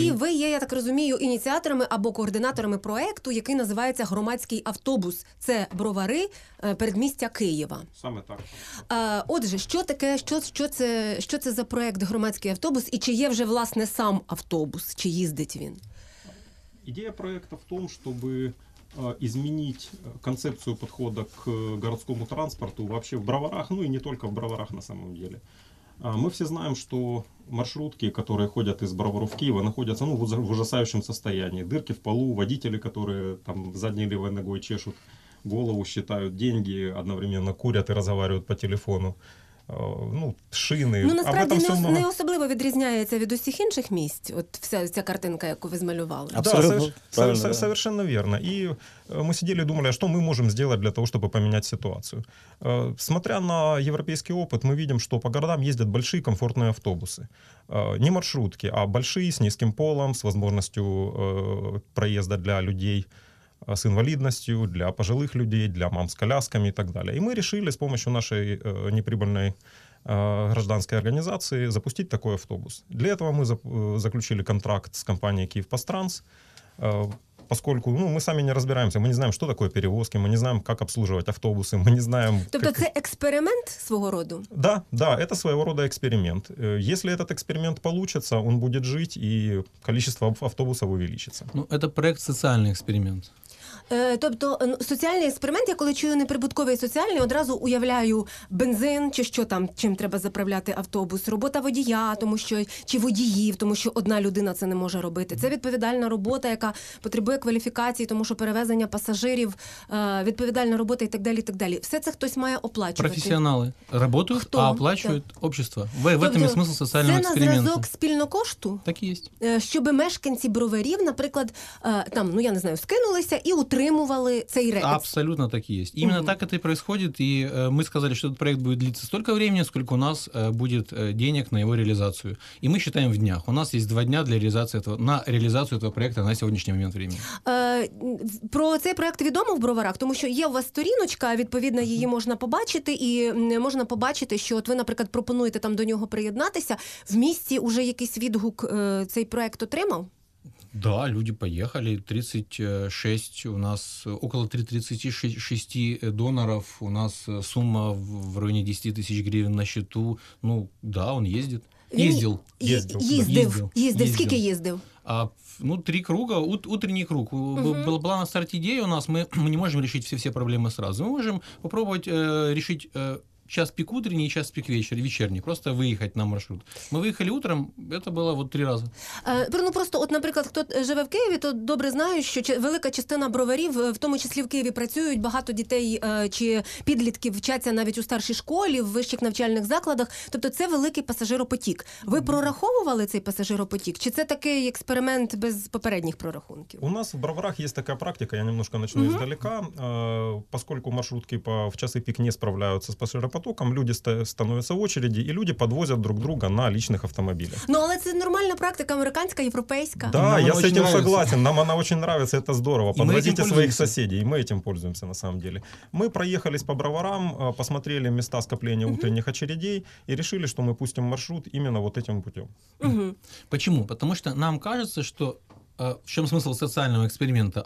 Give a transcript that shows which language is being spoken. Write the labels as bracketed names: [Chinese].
[Ukrainian] І ви є, я так розумію, ініціаторами або координаторами проекту, який називається «Громадський автобус». Це Бровари, передмістя Києва. Саме так. Отже, що таке, що це за проект «Громадський автобус» і чи є вже, власне, сам автобус, чи їздить він? Ідея проекту в тому, щоб [Russian] изменить концепцию подхода к городскому транспорту вообще в Броварах, ну и не только в Броварах на самом деле. Мы все знаем, что маршрутки, которые ходят из Броваров в Киев, находятся в ужасающем состоянии. Дырки в полу, водители, которые там задней левой ногой чешут голову, считают деньги, одновременно курят и разговаривают по телефону. [Ukrainian] Ну, шини. Ну, насправді, не особливо відрізняється від усіх інших місць, от вся картинка, яку ви змалювали. [Russian] Абсолютно. Да, совершенно верно. [Ukrainian] І ми сиділи і думали, а що ми можемо зробити для того, щоб поміняти ситуацію? Смотря на європейський опыт, ми бачимо, що по городам їздять великі комфортні автобуси. Не маршрутки, а великі, з низьким полом, з можливістю проїзду для [Russian] людей с инвалидностью, для пожилых людей, для мам с колясками и так далее. И мы решили с помощью нашей неприбыльной гражданской организации запустить такой автобус. Для этого мы заключили контракт с компанией «Киевпострансс», поскольку мы сами не разбираемся, мы не знаем, что такое перевозки, мы не знаем, как обслуживать автобусы, мы не знаем... [Ukrainian] Тобто це [Russian] эксперимент своего рода? Да, да, это своего рода эксперимент. Если этот эксперимент получится, он будет жить, и количество автобусов увеличится. Ну, это проект «Социальный эксперимент». [Ukrainian] Тобто соціальний експеримент, я коли чую неприбутковий соціальний, одразу уявляю бензин, чи що там, чим треба заправляти автобус, робота водія, тому що чи водіїв, тому що одна людина це не може робити. Це відповідальна робота, яка потребує кваліфікації, тому що перевезення пасажирів, відповідальна робота і так далі, і так далі. Все це хтось має оплачувати. Професіонали працюють, а оплачують общество. В цьому сенсі соціального експерименту. Це на зразок спільнокошту? Так і є. Щоб мешканці Броварів, наприклад, там, ну я не знаю, скинулися і утримували цей рейс. [Russian] Абсолютно так и есть. Именно так это и происходит. И мы сказали, что этот проект будет длиться столько времени, сколько у нас будет денег на его реализацию. И мы считаем в днях. У нас есть 2 дня для реализации этого, на реализацию этого проекта на сегодняшний момент времени. [Ukrainian] Про цей проект відомо в Броварах? Тому що є у вас сторіночка, відповідно, її можна побачити. І можна побачити, що от ви, наприклад, пропонуєте там до нього приєднатися. В місті уже якийсь відгук цей проект отримав? [Russian] Да, люди поехали, 36, у нас около 36 доноров, у нас сумма в районе 10 тысяч гривен на счету, ну да, он ездит, ездил. Ездил. Сколько ездил? Ну, 3 круга, утренний круг. Угу. Была на старте идея у нас, мы не можем решить все проблемы сразу, мы можем попробовать решить... Час пик утренний, час пик вечерний. [Ukrainian] Просто виїхати на маршрут. Ми виїхали утром, це було от 3 рази. Наприклад, хто живе в Києві, то добре знає, що велика частина броварів, в тому числі в Києві, працюють. Багато дітей чи підлітків вчаться навіть у старшій школі, в вищих навчальних закладах. Тобто це великий пасажиропотік. Ви прораховували цей пасажиропотік? Чи це такий експеримент без попередніх прорахунків? У нас в Броварах є така практика, я немножко почну здалека, поскольку маршрутки в часи пік не справляються з пасажиропотіком, потоком, [Russian] люди становятся в очереди, и люди подвозят друг друга на личных автомобилях. [Ukrainian] Ну, але це нормальна практика, американська, європейська. [Russian] Да, я с этим согласен. Нам она очень нравится, это здорово. Подвозите своих соседей, и мы этим пользуемся на самом деле. Мы проехались по Броварам, посмотрели места скопления утренних очередей, и решили, что мы пустим маршрут именно вот этим путем. Почему? Потому что нам кажется, что в чем смысл социального эксперимента?